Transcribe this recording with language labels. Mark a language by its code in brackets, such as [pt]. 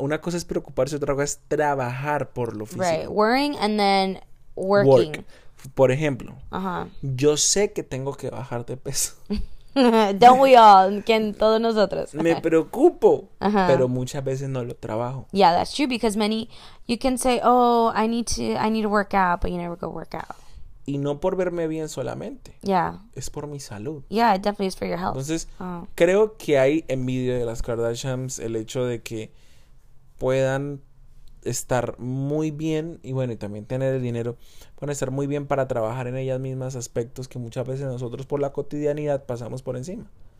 [es] Una cosa es preocuparse, otra cosa es trabajar por lo físico. [en] Right, worrying and then working. Work. [es] Por ejemplo, yo sé que tengo que bajar de peso. [en] Don't we all, [es] ¿quién? Todos nosotros. Me preocupo, pero muchas veces no lo trabajo. [en] Yeah, that's true, because many, you can say, oh, I need to work out, but you never go work out. [es] Y no por verme bien solamente. Yeah. Es por mi salud. [en] Yeah, it definitely is for your health. [es] Entonces, creo que hay envidia de las Kardashians, el hecho de que puedan estar muy bien, y bueno, y también tener el dinero, pueden estar muy bien para trabajar en ellas mismas aspectos que muchas veces nosotros por la cotidianidad pasamos por encima.